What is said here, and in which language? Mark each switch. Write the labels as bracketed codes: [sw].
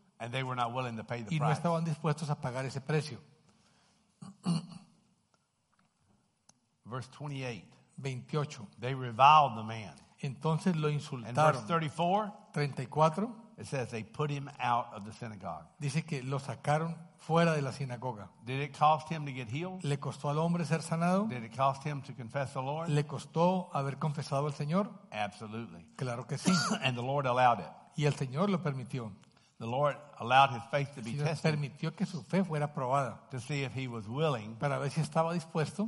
[en] And they were not willing to pay the [es] y no estaban [en] price. [es] Dispuestos a pagar ese precio. [en] Verse 28. 28. They reviled the man. [es] Entonces lo insultaron. [en] And verse 34. 34. It says they put him out of the synagogue. [es] Dice que lo sacaron fuera de la sinagoga. [en] Did it cost him to get healed? [es] ¿Le costó al hombre ser sanado? [en] Did it cost him to confess the Lord? [es] ¿Le costó haber confesado al Señor? [en] Absolutely. [es] Claro que sí. [en] And the Lord allowed it. [es] Y el Señor lo permitió. [en] The Lord allowed his faith to be tested. [es] Permitió que su fe fuera probada. [en] To see if he was willing. [es] Para ver si estaba dispuesto.